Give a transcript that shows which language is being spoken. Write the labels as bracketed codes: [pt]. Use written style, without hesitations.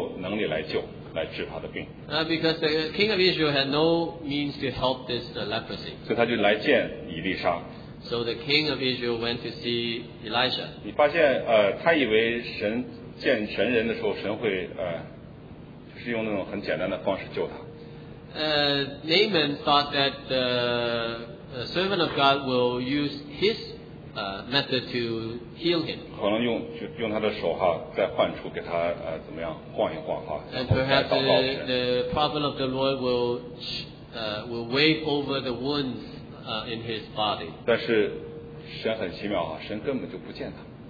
[zh] 那我们就长话短说哈，他没有能力来救，来治他的病。 [en] Because the king of Israel had no means to help this leprosy. [zh] 所以他就来见以利沙。 [en] So the king of Israel went to see Elisha. [zh] 你发现，他以为神见神人的时候，神会就是用那种很简单的方式救他。 [en] Naaman thought that the servant of God will use his method to heal him. [zh] 可能用他的手哈，再换出给他怎么样晃一晃哈。 [en] And perhaps the prophet of the Lord will wave over the wounds in his body. [zh] 但是神很奇妙哈，神根本就不见他。